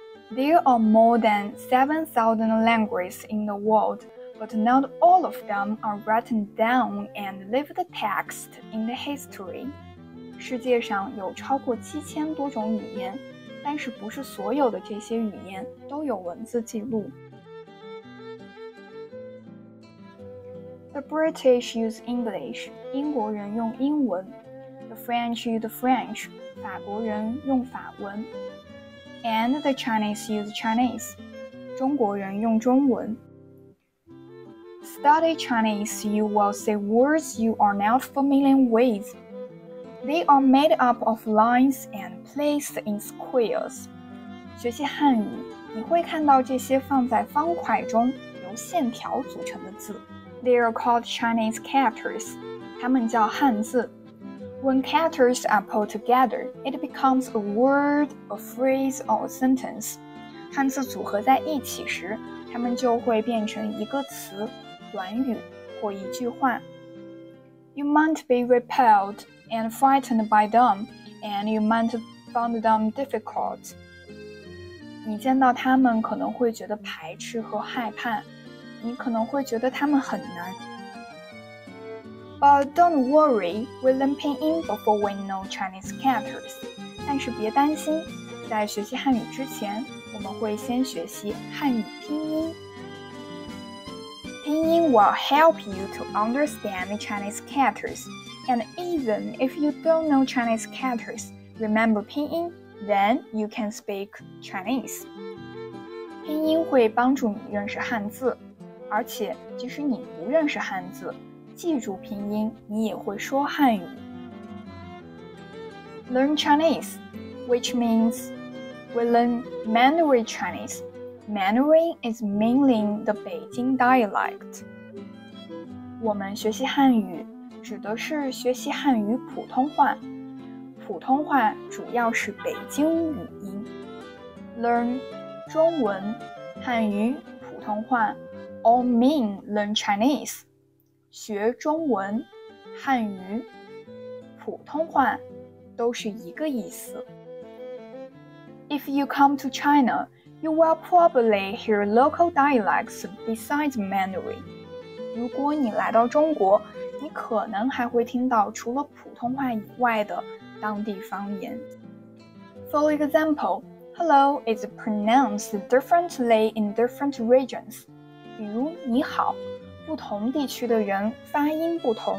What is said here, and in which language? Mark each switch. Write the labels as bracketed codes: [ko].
[en] There are more than 7,000 languages in the world, but not all of them are written down and lived text in the history. [zh] 世界上有超过7000多种语言，但是不是所有的这些语言都有文字记录。 [en] The British use English, [zh] 英国人用英文。 [en] The French use French, [zh] 法国人用法文。 [en] And the Chinese use Chinese, [zh] 中国人用中文。 [en] Study Chinese, you will see words you are not familiar with. They are made up of lines and placed in squares. [zh] 学习汉语，你会看到这些放在方块中由线条组成的字。 [en] They are called Chinese characters. [zh] 它们叫汉字。 [en] When characters are put together, it becomes a word, a phrase, or a sentence. [zh] 汉字组合在一起时，它们就会变成一个词、短语或一句话。 [en] You might be repelled and frightened by them, and you might find them difficult. [zh] 你见到它们可能会觉得排斥和害怕，你可能会觉得它们很难。 [en] But don't worry, we learn Pinyin before we know Chinese characters. [zh] 但是别担心，在学习汉语之前，我们会先学习汉语拼音。 [en] Pinyin will help you to understand Chinese characters. And even if you don't know Chinese characters, remember Pinyin, then you can speak Chinese. [zh] Pinyin 会帮助你认识汉字，而且即使你不认识汉字，记住拼音，你也会说汉语。 [en] Learn Chinese, which means we learn Mandarin Chinese. Mandarin is mainly the Beijing dialect. [zh] 我们学习汉语，指的是学习汉语普通话。普通话主要是北京语音。 [en] Learn 中文、汉语、普通话 all mean learn Chinese. [zh] 学中文、汉语、普通话都是一个意思。 [en] If you come to China, you will probably hear local dialects besides Mandarin. [zh] 如果你来到中国，你可能还会听到除了普通话以外的当地方言。 [en] For example, hello is pronounced differently in different regions. [zh] 比如你好。不同地区的人发音不同。